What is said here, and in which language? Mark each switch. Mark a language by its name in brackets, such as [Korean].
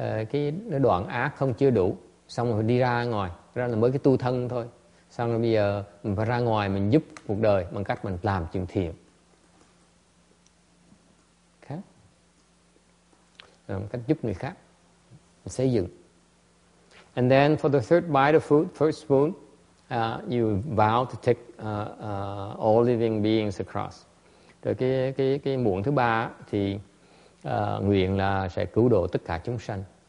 [Vietnamese] Cái đoạn ác không chưa đủ, xong rồi đi ra ngoài, ra là mới cái tu thân thôi. Xong rồi bây giờ mình phải ra ngoài mình giúp cuộc đời bằng cách mình làm chuyện thiện. Khác. Cách giúp người khác, xây dựng. [English] And then for the third bite of food, first spoon, you vow to take all living beings across. [Vietnamese] Rồi cái muỗng thứ ba thì nguyện là sẽ cứu độ tất cả chúng sanh.